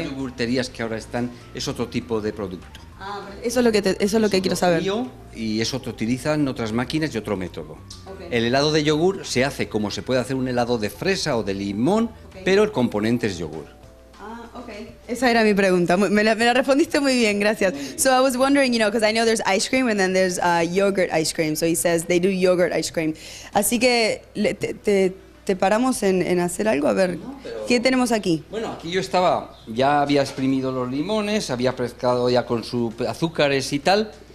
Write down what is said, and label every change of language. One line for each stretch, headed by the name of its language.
Spanish: Las yogurterías que ahora están es otro tipo de producto. Ah, eso es lo que quiero saber. Y eso te utilizan otras máquinas y otro método. Okay. El helado de yogur se hace como se puede hacer un helado de fresa o de limón, pero el componente es yogur. Okay. Esa era mi pregunta. Me la respondiste muy bien, gracias.
English: So I was wondering, you know, because I know there's ice cream and then there's yogurt ice cream. So he says they do yogurt ice cream.
Spanish: Así que te paramos en hacer algo, a ver, no, pero, ¿qué tenemos aquí? Bueno, aquí yo estaba, ya había exprimido los limones, había pescado ya con sus azúcares y tal.